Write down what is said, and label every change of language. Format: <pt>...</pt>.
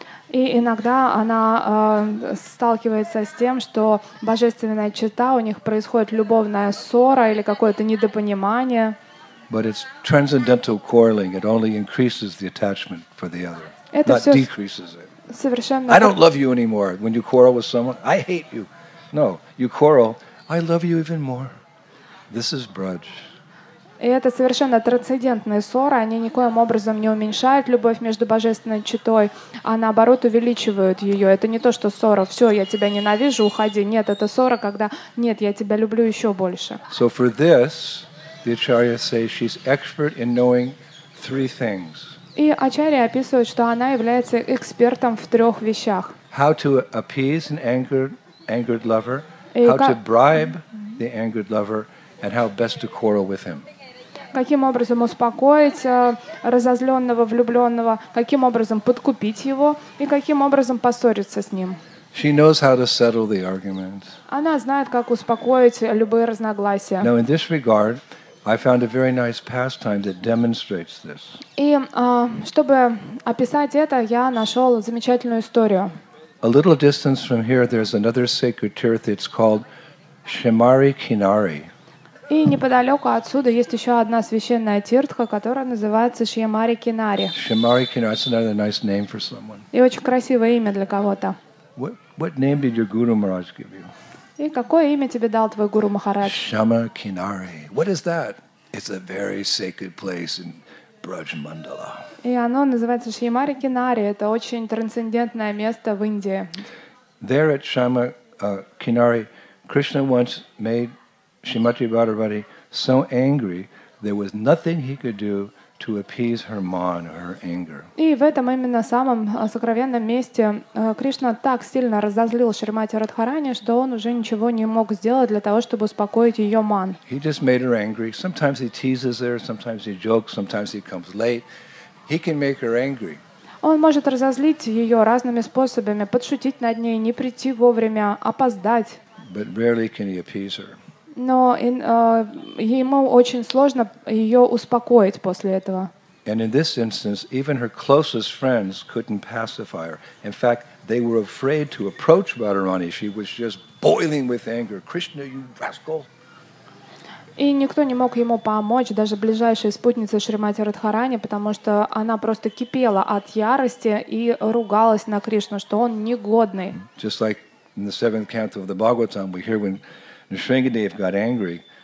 <ru>И иногда она сталкивается с тем, что божественная чета, у них происходит любовная ссора или какое-то недопонимание.</ru> <en>But it's transcendental quarreling. It only increases the attachment for the other, not decreases it.</en> <ru>Совершенно.</ru> <en>I don't love you anymore. When you quarrel with someone, I hate you. No, you quarrel. I love you even more. This is brudge.</en> <ru>И это совершенно трансцендентные ссоры, они никоим образом не уменьшают любовь между божественной читой, а наоборот увеличивают ее. Это не то, что ссора, все, я тебя ненавижу, уходи. Нет, это ссора, когда нет, я тебя люблю еще больше.</ru> <en>So for this, the Acharya says she's expert in knowing three things.</en> <ru>И Ачарья описывает, что она является экспертом в трех вещах.</ru> <en>how to appease an angered lover, how to bribe the angered lover, and how best to quarrel with him.</en> <ru>Каким образом успокоить разозленного влюбленного, каким образом подкупить его и каким образом поссориться с ним.</ru> <en>She knows how to settle the arguments.</en> <ru>Она знает, как успокоить любые разногласия.</ru> <en>Now, in this regard, I found a very nice pastime that demonstrates this.</en> <ru>И чтобы описать это, я нашел замечательную историю.</ru> <en>A little distance from here, there's another sacred tirth. It's called Shimari Kinari.</en> <ru>И неподалеку отсюда есть еще одна священная тиртха, которая называется Шьямари Кинари.</ru> <en>Шьямари Кинари — это another nice name for someone.</en> <ru>И очень красивое имя для кого-то.</ru> <en>What name did your Guru Maharaj give you?</en> <ru>И какое имя тебе дал твой Гуру Махарадж?</ru> <en>Шьяма Кинари. What is that? It's a very sacred place in Braj Mandala.</en> <ru>И оно называется Шьямари Кинари. Это очень трансцендентное место в Индии.</ru> <en>There at Шьяма Кинари, Krishna once made Shrimati Radharani so angry there was nothing he could do to appease her man, her anger.</en> <ru>И в этом именно самом сокровенном месте Кришна так сильно разозлил Шримати Радхарани, что он уже ничего не мог сделать для того, чтобы успокоить ее ман.</ru> <en>He just made her angry. Sometimes he teases her, sometimes he jokes, sometimes he comes late. He can make her angry.</en> <ru>Он может разозлить ее разными способами, подшутить над ней, не прийти вовремя, опоздать.</ru> <en>But rarely can he appease her.</en> <ru>Но ему очень сложно ее успокоить после этого.</ru> <en>And in this instance, even her closest friends couldn't pacify her. In fact, they were afraid to approach Radharani. She was just boiling with anger. Krishna, you rascal!</en> <ru>И никто не мог ему помочь, даже ближайшая спутница Шримати Радхарани, потому что она просто кипела от ярости и ругалась на Кришну, что он негодный.</ru> <en>Just like in the seventh canto of the Bhagavatam, we hear when Nrsingadev got angry.</en>